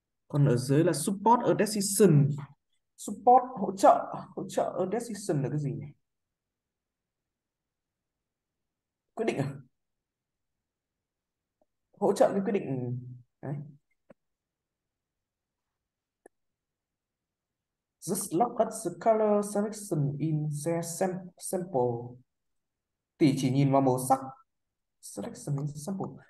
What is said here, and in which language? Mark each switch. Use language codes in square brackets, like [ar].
[vi] Còn ở dưới là [en] support a decision. [vi] Support hỗ trợ [en] a decision [vi] là cái gì này? Quyết định à? Hỗ trợ cái quyết định đấy. [en] Just look at the color selection in their sample. [vi] Thì chỉ nhìn vào màu sắc [en] selection in sample.